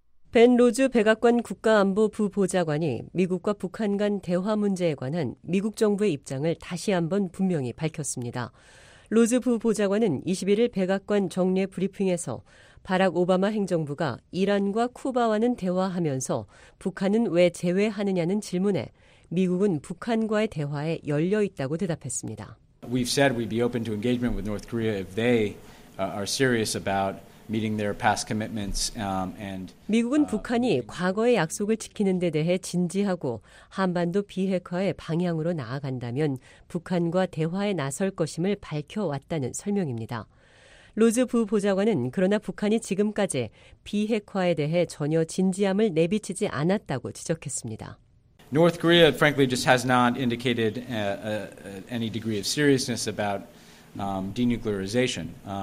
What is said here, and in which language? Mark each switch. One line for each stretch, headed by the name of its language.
Korean: 벤 로즈 백악관 국가안보부 보좌관이 미국과 북한 간 대화 문제에 관한 미국 정부의 입장을 다시 한번 분명히 밝혔습니다. 로즈 부 보좌관은 21일 백악관 정례 브리핑에서 바락 오바마 행정부가 이란과 쿠바와는 대화하면서 북한은 왜 제외하느냐는 질문에 미국은 북한과의 대화에 열려 있다고 대답했습니다.
English: We've said we'd be open to engagement with North Korea if they are serious about meeting their past commitments and
Korean: 미국은 북한이 과거의 약속을 지키는 데 대해 진지하고 한반도 비핵화의 방향으로 나아간다면 북한과 대화에 나설 것임을 밝혀왔다는 설명입니다. 로즈 부 보좌관은 그러나 북한이 지금까지 비핵화에 대해 전혀 진지함을 내비치지 않았다고 지적했습니다.
English: North Korea frankly just has not indicated any degree of seriousness about denuclearization.